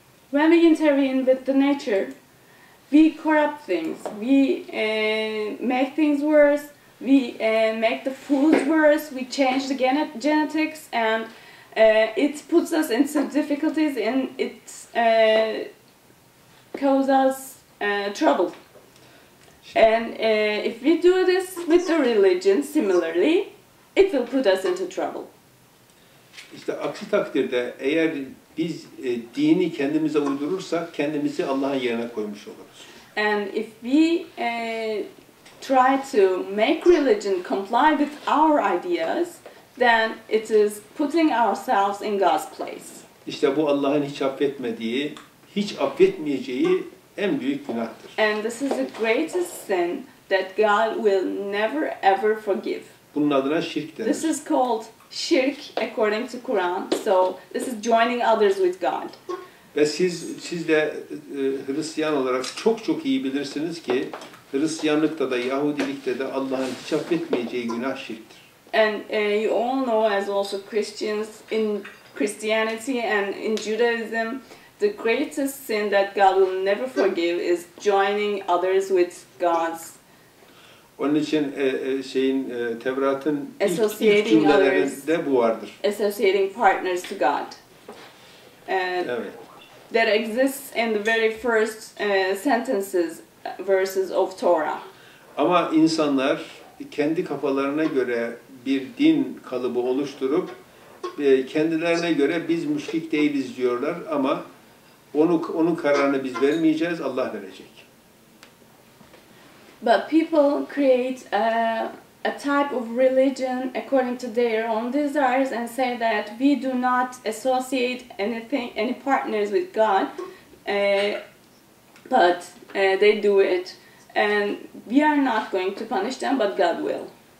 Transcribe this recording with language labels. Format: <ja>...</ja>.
<en>When we intervene with the nature, we corrupt things, we make things worse, we make the foods worse, we change the genetics and it puts us in some difficulties and it causes us trouble. And if we do this with the religion similarly, it will put us into trouble.</en> <tr>İşte aksi takdirde eğer biz dini kendimize uydurursak kendimizi Allah'ın yerine koymuş oluruz.</tr> <en>And if we try to make religion comply with our ideas, then it is putting ourselves in God's place.</en> <tr>İşte bu Allah'ın hiç affetmediği, hiç affetmeyeceği en büyük günahtır.</tr> <en>And this is the greatest sin that God will never ever forgive.</en> <tr>Bunun adına şirk denir.</tr> <en>This is called shirk according to Quran. So this is joining others with God.</en> <tr>Ve siz de Hristiyan olarak çok çok iyi bilirsiniz ki Hristiyanlıkta da Yahudilikte de Allah'ın hiç affetmeyeceği günah şirktir.</tr> <en>And you all know, as also Christians, in Christianity and in Judaism, the greatest sin that God will never forgive is joining others with God's.</en> <tr>Onun için Tevrat'ın ilk cümlelerinde bu vardır.</tr> <en>Associating partners to God.</en> <tr>Evet.</tr> <en>That exists in the very first sentences, verses of Torah.</en> <tr>Ama insanlar kendi kafalarına göre bir din kalıbı oluşturup kendilerine göre biz müşrik değiliz diyorlar ama onun kararını biz vermeyeceğiz, Allah verecek.</tr> <en>But people create a type of religion according to their own desires and say that we do not associate any partners with God, but they do it and we are not going to punish them, but God will.</en>